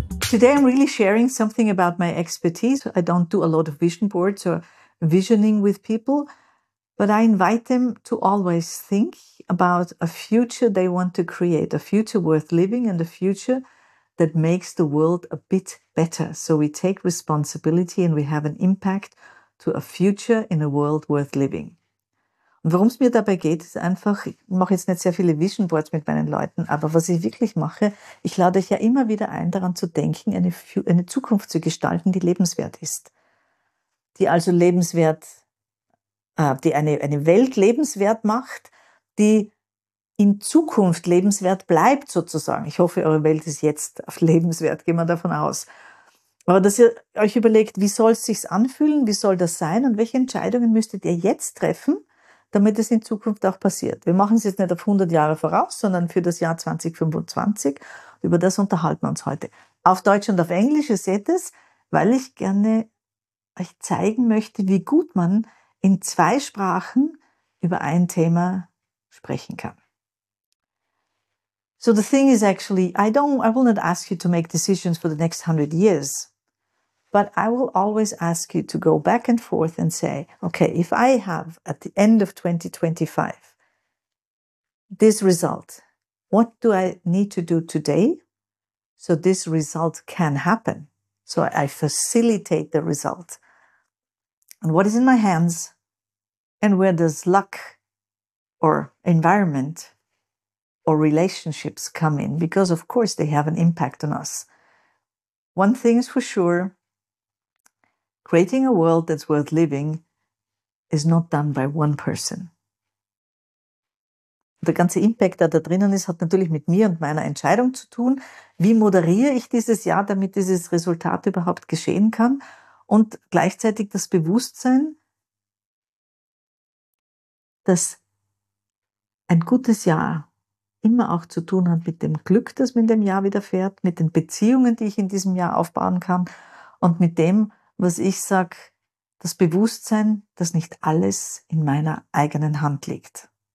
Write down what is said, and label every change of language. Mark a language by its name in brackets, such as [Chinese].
[English] Today I'm really sharing something about my expertise. I don't do a lot of vision boards or visioning with people, but I invite them to always think about a future they want to create, a future worth living and a future that makes the world a bit better. So we take responsibility and we have an impact to a future in a world worth living. [German] Und worum es mir dabei geht, ist einfach, ich mache jetzt nicht sehr viele Vision Boards mit meinen Leuten, aber was ich wirklich mache, ich lade euch ja immer wieder ein, daran zu denken, eine Zukunft zu gestalten, die lebenswert ist. Die also lebenswert, die eine Welt lebenswert macht, die in Zukunft lebenswert bleibt sozusagen. Ich hoffe, eure Welt ist jetzt auf lebenswert, gehen wir davon aus. Aber dass ihr euch überlegt, wie soll es sich anfühlen, wie soll das sein und welche Entscheidungen müsstet ihr jetzt treffen, damit es in Zukunft auch passiert. Wir machen es jetzt nicht auf 100 Jahre voraus, sondern für das Jahr 2025. Über das unterhalten wir uns heute. Auf Deutsch und auf Englisch, ihr seht es, weil ich gerne euch zeigen möchte, wie gut man in zwei Sprachen über ein Thema sprechen kann. [English] So the thing is actually, I will not ask you to make decisions for the next 100 years. But I will always ask you to go back and forth and say, okay, if I have at the end of 2025 this result, what do I need to do today so this result can happen? So I facilitate the result. And what is in my hands? And where does luck or environment or relationships come in? Because of course they have an impact on us. One thing is for sure. Creating a world that's worth living is not done by one person. [German] Der ganze Impact, der da drinnen ist, hat natürlich mit mir und meiner Entscheidung zu tun. Wie moderiere ich dieses Jahr, damit dieses Resultat überhaupt geschehen kann? Und gleichzeitig das Bewusstsein, dass ein gutes Jahr immer auch zu tun hat mit dem Glück, das mir in dem Jahr widerfährt, mit den Beziehungen, die ich in diesem Jahr aufbauen kann und mit dem, was ich sage, das Bewusstsein, dass nicht alles in meiner eigenen Hand liegt.